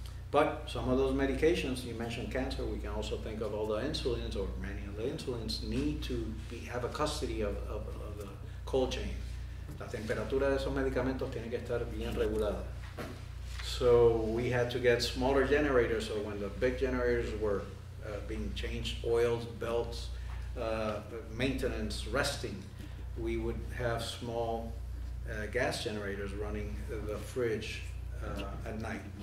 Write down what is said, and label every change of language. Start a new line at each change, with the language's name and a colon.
English: But some of those medications, you mentioned cancer, we can also think of all the insulins or many of the insulins need to be, have a custody of the cold chain.
Spanish: La temperatura de esos medicamentos tiene que estar bien regulada.
English: So we had to get smaller generators, so when the big generators were being changed, oils, belts, maintenance, resting, we would have small gas generators running the fridge at night.